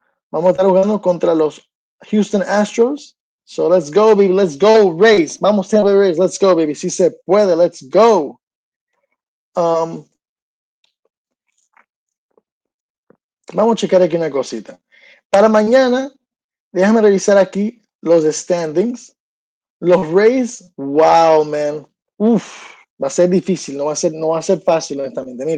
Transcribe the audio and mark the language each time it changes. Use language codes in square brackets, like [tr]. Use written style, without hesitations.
[es] Vamos a estar jugando contra los Houston Astros. [en] So let's go, baby, let's go, Rays. [es] Vamos, Tampa Rays, [en] let's go, baby. [es] Si se puede, [en] let's go. [es] Vamos a checar aquí una cosita. Para mañana, déjame revisar aquí los standings. Los Rays, wow, man. Uf, va a ser difícil, no va a ser fácil, honestamente.